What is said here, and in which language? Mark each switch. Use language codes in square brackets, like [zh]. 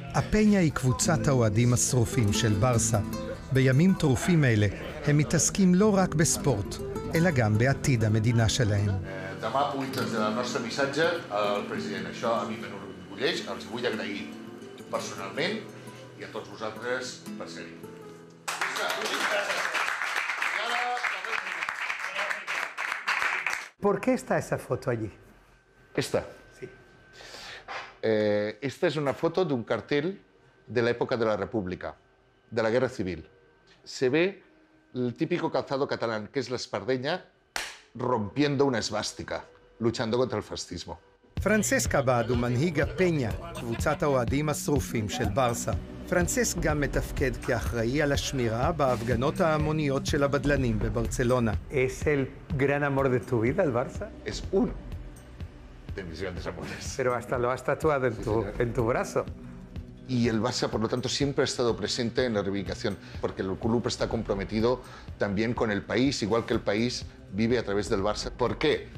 [he] פניה היא קבוצת האוהדים השרופים של ברסה. בימים טרופים אלה הם מתעסקים לא רק בספורט, אלא גם בעתיד המדינה שלהם. [ca] Demà publicem el nostre missatge al president. Això a mi m'enorgulleix, els vull agrair personalment i a tots vosaltres, per ser-hi. [es] ¿Por qué está esa foto allí? ¿Esta? Sí. Esta es una foto de un cartel de la época de la República, de la Guerra Civil. Se ve el típico calzado catalán, que es la espardenya, rompiendo una esvástica, luchando contra el fascismo. [he] Francesc Abad הוא מנהיג הפניה, קבוצת האוהדים השרופים של ברסה. פרנסיסק גם מתפקד כאחראי על השמירה בהפגנות ההמוניות של הבדלנים בברצלונה. [es] Es el gran amor de tu vida, el Barça? Es uno de mis grandes amores. Pero hasta lo has tatuado en, sí, en tu brazo. Y el Barça, por lo tanto, siempre ha estado presente en la reivindicación, porque el club está comprometido también con el país, igual que el país vive a través del Barça. ¿Por qué?